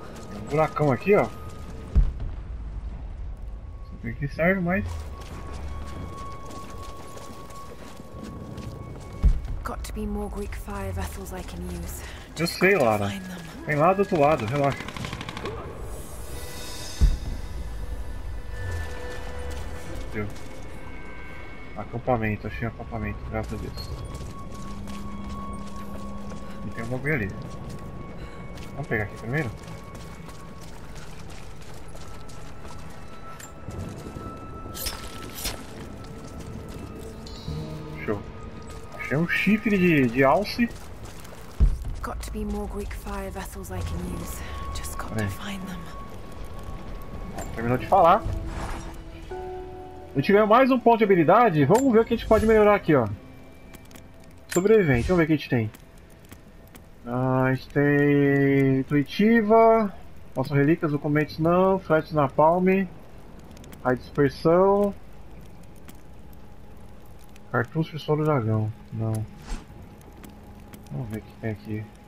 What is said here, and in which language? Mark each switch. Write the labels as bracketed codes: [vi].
[pt] Tem um buracão aqui, ó. Não sei o que serve, mas [en] to be more Greek fire vessels I can use. [pt] Just sei lá, né? Tem lá do outro lado, relaxa. Deu. Acampamento, achei um acampamento, graças a Deus. E tem um bagulho ali. Vamos pegar aqui primeiro? Show. Achei um chifre de alce. [en] Got to be more Greek fire vessels I can use. Just got to find them. [pt] Terminou de falar. A gente ganhou mais um ponto de habilidade. Vamos ver o que a gente pode melhorar aqui, ó. Sobrevivente, vamos ver o que a gente tem. A gente tem intuitiva, nossa relíquias, documentos não, flash na palme, a dispersão, cartucho e solo dragão, não. Vamos ver o que tem aqui.